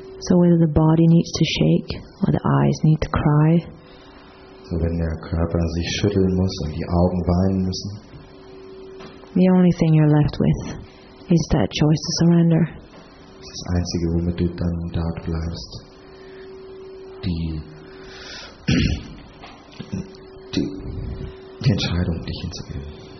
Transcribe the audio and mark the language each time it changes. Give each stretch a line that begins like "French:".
English: So whether the body needs to shake or the eyes need to cry,
German: so wenn der Körper sich schütteln muss und die Augen weinen müssen,
English: the only thing you're left with is that choice to surrender.
German: Das Einzige, womit du dann da bleibst, die Entscheidung, dich hinzugeben.